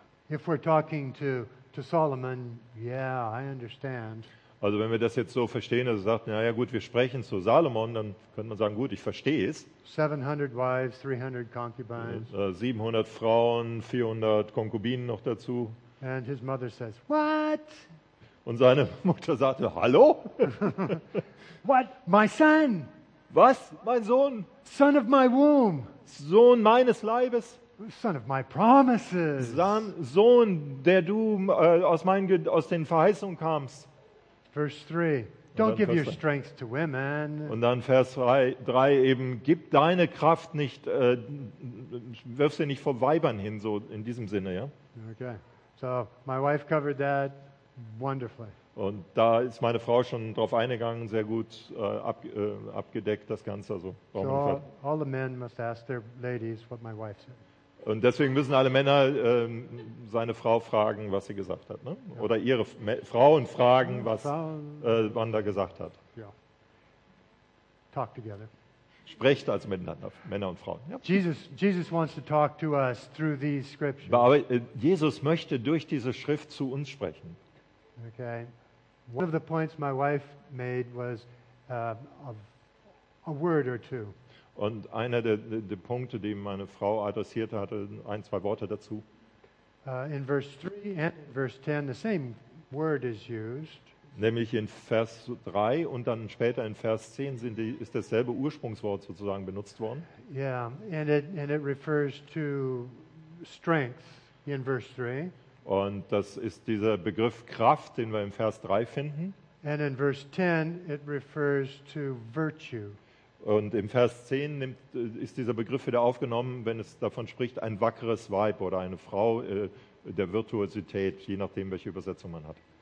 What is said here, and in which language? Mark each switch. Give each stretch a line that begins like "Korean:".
English: If we're talking to Solomon, yeah, I understand.
German: Also wenn wir das jetzt so verstehen, dass er sagt, naja gut, wir sprechen zu Salomon, dann könnte man sagen, gut, ich verstehe es.
English: 700 wives, 300 concubines.
German: 700 Frauen, 400 Konkubinen noch dazu.
English: And his mother says, what?
German: Und seine Mutter sagte, hallo?
English: What? My son?
German: Was? Mein Sohn?
English: Son of my womb?
German: Sohn meines Leibes?
English: Son of my promises.
German: Sohn, der du aus den Verheißungen kamst.
English: Verse 3. Don't give your strength to women.
German: Und dann Vers 3 eben, gib deine Kraft nicht, wirf sie nicht vor Weibern hin, so in diesem Sinne, ja?
English: Okay. So, my wife covered that wonderfully.
German: Und da ist meine Frau schon drauf eingegangen, sehr gut abgedeckt, das Ganze. Also,
English: so, all the men must ask their ladies what my wife said.
German: Und deswegen müssen alle Männer seine Frau fragen, was sie gesagt hat. Ne? Ja. Oder ihre Frauen fragen, was Wanda gesagt hat.
English: Ja. Talk together.
German: Sprecht also miteinander, Männer und Frauen. Ja.
English: Jesus wants to talk to us through these scriptures.
German: Aber Jesus möchte durch diese Schrift zu uns sprechen.
English: Okay. One of the points my wife made was a word or two.
German: Und einer der Punkte, die meine Frau adressierte, hatte ein, zwei Worte dazu.
English: In verse 3 and in verse 10 the same word is used.
German: Nämlich in Vers 3 und dann später in Vers 10 ist dasselbe Ursprungswort sozusagen benutzt worden.
English: Yeah, and it refers to strength in verse 3.
German: Und das ist dieser Begriff Kraft, den wir im Vers 3 finden.
English: And in verse 10 it refers to virtue.
German: Und im Vers 10 ist dieser Begriff wieder aufgenommen, wenn es davon spricht, ein wackeres Weib oder eine Frau der Virtuosität, je nachdem, welche Übersetzung man hat.